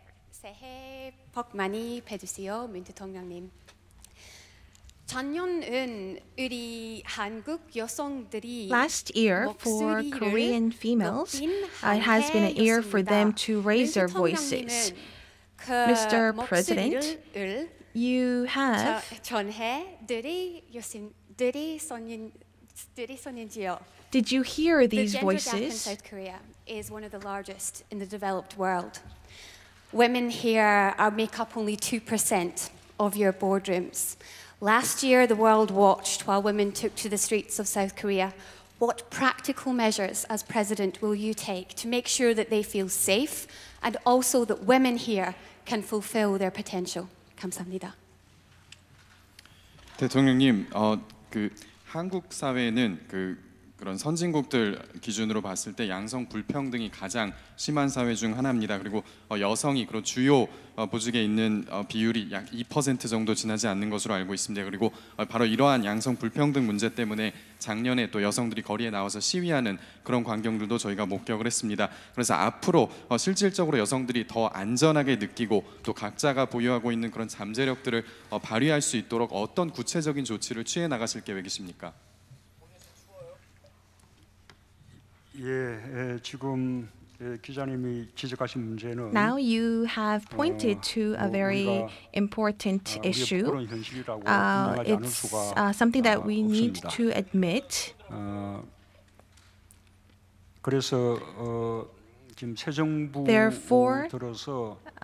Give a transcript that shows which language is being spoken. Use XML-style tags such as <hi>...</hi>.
<ko>새해 복 많이 받으세요, 문 대통령님. 작년은 우리 한국 여성들이</ko> <en>Last year for Korean females, it has been a year for them to raise their voices. Mr. President, you have</en> <ko>전해 들이셨는지요?</ko> <en>Did you hear these voices? The gender gap in South Korea is one of the largest in the developed world. Women here are make up only 2% of your boardrooms. Last year, the world watched while women took to the streets of South Korea. What practical measures, as president, will you take to make sure that they feel safe and also that women here can fulfill their potential?</en> <ko>감사합니다. 대통령님, 그 한국 사회는 그 그런 선진국들 기준으로 봤을 때 양성 불평등이 가장 심한 사회 중 하나입니다. 그리고 여성이 그리고 주요 보직에 있는 비율이 약 2% 정도 지나지 않는 것으로 알고 있습니다. 그리고 바로 이러한 양성 불평등 문제 때문에 작년에 또 여성들이 거리에 나와서 시위하는 그런 광경들도 저희가 목격을 했습니다. 그래서 앞으로 실질적으로 여성들이 더 안전하게 느끼고 또 각자가 보유하고 있는 그런 잠재력들을 발휘할 수 있도록 어떤 구체적인 조치를 취해 나가실 계획이십니까? 예, 예, 지금 예, 기자님이 지적하신 문제는</ko> <en>Now you have pointed to a very important issue. It's something that we need to admit.</en> <ko>그래서 지금 새 정부 Therefore, 들어서</ko>